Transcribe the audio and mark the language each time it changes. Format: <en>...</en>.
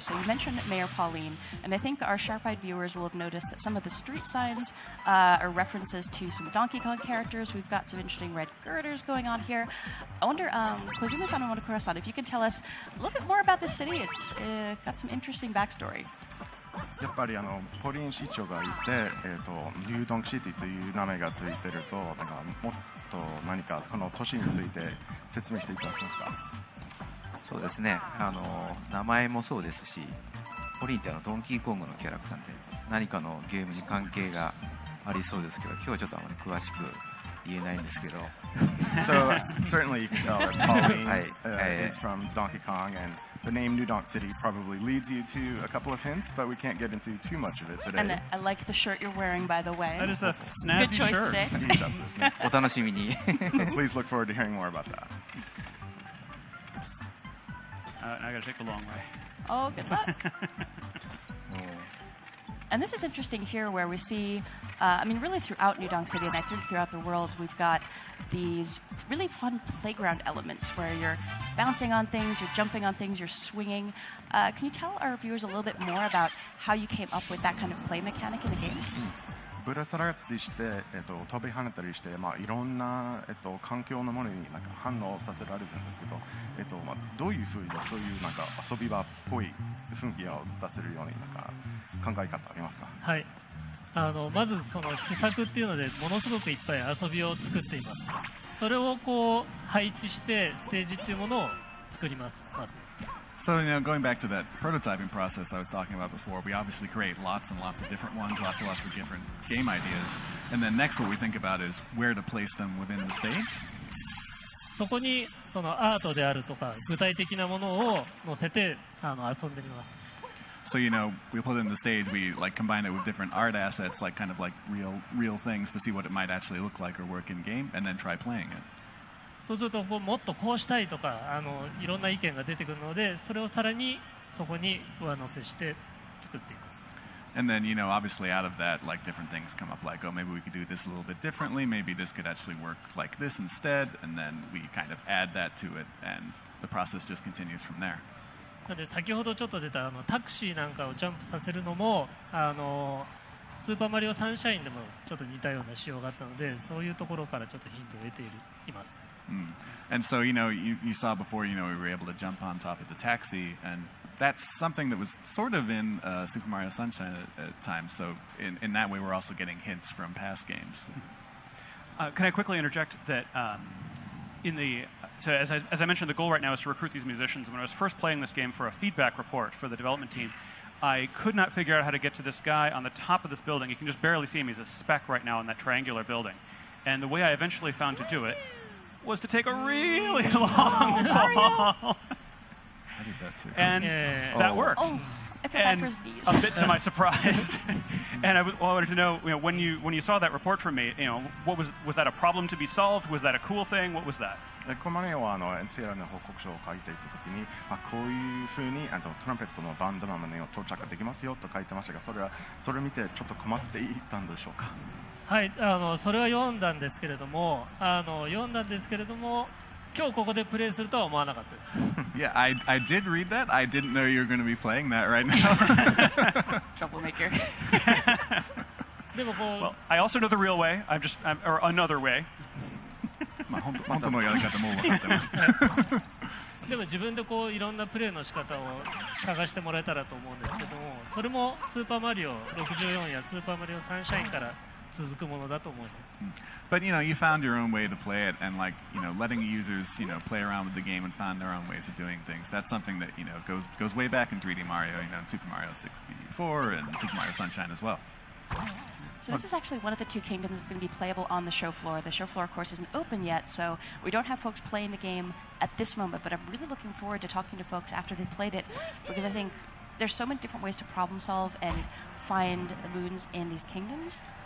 <en>So you mentioned Mayor Pauline, and I think our sharp-eyed viewers will have noticed that some of the street signs are references to some Donkey Kong characters. We've got some interesting red girders going on here. I wonder, Kozuma-san and Monokura-san, if you can tell us a little bit more about this city. It's got some interesting backstory.</en> <ja>やっぱりあのポリン市長がいて、ニュードンキシティという名前がついてるとなんかもっと何かこの都市について説明していただけますか。そうですね、あの名前もそうですし、ポリンってあのドンキーコングのキャラクターで何かのゲームに関係がありそうですけど、今日はちょっとあまり詳しく言えないんですけど。</ja> <en>So certainly you can tell that Pauline is from Donkey Kong andThe name New Donk City probably leads you to a couple of hints, but we can't get into too much of it today. And I like the shirt you're wearing, by the way. That is a snazzy good choice shirt. Today.</en> <ja>お楽しみに。</ja> <en>Please look forward to hearing more about that. I gotta take the long way. Oh, good luck. And this is interesting here where we see, really throughout New Donk City and I think throughout the world, we've got these really fun playground elements where you're bouncing on things, you're jumping on things, you're swinging. Can you tell our viewers a little bit more about how you came up with that kind of play mechanic in the game?</en> <ja>ぶら下がったりして、飛び跳ねたりして、まあ、いろんな、環境のものになんか反応させられるんですけど、どういうふうにそういうなんか遊び場っぽい雰囲気を出せるようになんか考え方ありますか？はい、まずその試作っていうのでものすごくいっぱい遊びを作っています。それをこう配置してステージっていうものを作ります。まず</ja> <en>So, you know, going back to that prototyping process I was talking about before, we obviously create lots and lots of different ones, lots and lots of different game ideas. And then next, what we think about is where to place them within the stage.</en> <ja>そこにそのアートであるとか具体的なものを載せて遊んでみます。</ja> <en>So, you know, we put it in the stage, we like combine it with different art assets, like kind of like real things to see what it might actually look like or work in game, and then try playing it.</en> <ja>そうするとこうもっとこうしたいとかいろんな意見が出てくるのでそれをさらにそこに上乗せして作っていま</ja> <en>And then, you know, obviously out of that, like different things come up like, oh, maybe we could do this a little bit differently. Maybe this could actually work like this instead. And then we kind of add that to it and the process just continues from there.</en> <ja>なので先ほどちょっと出たあのタクシーなんかをジャンプさせるのもあのスーパーマリオサンシャインでもちょっと似たような仕様があったのでそういうところからちょっとヒントを得ているいます。 Mm.</ja> <en>And so, you know, you saw before, you know, we were able to jump on top of the taxi, and that's something that was sort of in Super Mario Sunshine at times. So in that way, we're also getting hints from past games. Can I quickly interject that in the So as I mentioned, the goal right now is to recruit these musicians. When I was first playing this game for a feedback report for the development team, I could not figure out how to get to this guy on the top of this building. You can just barely see him. He's a speck right now in that triangular building. And the way I eventually found to do it was to take a really long fall. I did that too. And yeah. That worked. Oh, and a bit to my surprise. And I wanted to know, you know, when you saw that report from me, you know, what was that a problem to be solved? Was that a cool thing? What was that?</en> <ja>コマネオはあのエンツィエラの報告書を書いていたときに、まあ、こういうふうにあのトランペットのバンドマネを到着できますよと書いてましたが、それを見てちょっと困っていたんでしょうか。はい、あのそれは読んだんですけれども、今日ここでプレイするとは思わなかったです。</ja> <en>Yeah, I did read that. I didn't know you were going to be playing that right now. Troublemaker.</en> <ja>でもこう、</ja> <en>Well, I also know the real way. I'm another way.</en> <ja>まあ、本当のやり方も分かってますでも自分でこういろんなプレイの仕方を探してもらえたらと思うんですけどもそれもスーパーマリオ64やスーパーマリオサンシャインから続くものだと思います</ja> <en>But you know you found your own way to play it and like you know letting users you know play around with the game and find their own ways of doing things that's something that you know goes way back in 3D Mario you know in Super Mario 64 and Super Mario Sunshine as well So this is actually one of the two kingdoms that's going to be playable on the show floor. The show floor, of course, isn't open yet, so we don't have folks playing the game at this moment, but I'm really looking forward to talking to folks after they've played it, because I think there's so many different ways to problem solve and find the moons in these kingdoms.</en>